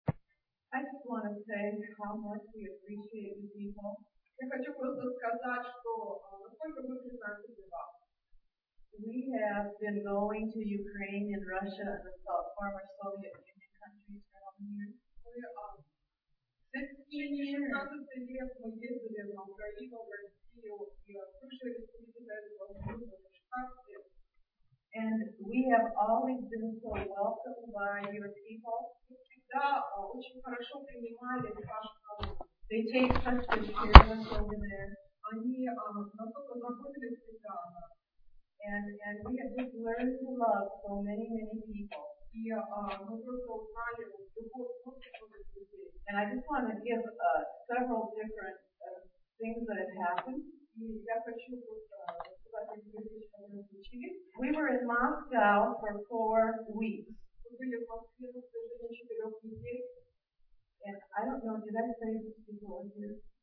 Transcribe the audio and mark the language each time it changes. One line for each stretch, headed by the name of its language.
English: want to say how much we appreciate you people.
Russian: Я хочу просто сказать, что насколько мы признательны вам.
English: We have been going to Ukraine and Russia and the former Soviet Union countries for how many years?
Russian: Мы 16 лет мы ездили на Украину, в Россию и отслушали республики до этого года, 16 лет.
English: And we have always been so welcomed by your people.
Russian: Мы всегда очень хорошо принимали ваш народ.
English: They take such good care of us over there.
Russian: Они настолько заботились всегда о нас.
English: And we have just learned to love so many, many people.
Russian: И мы просто узнали любовь очень многих людей.
English: And I just want to give several different things that have happened.
Russian: И я хочу просто рассказать некоторые вещи, которые случились.
English: We were in Moscow for 4 weeks.
Russian: Мы были в Москве на протяжении 4 недель.
English: And I don't know, did I say this before here?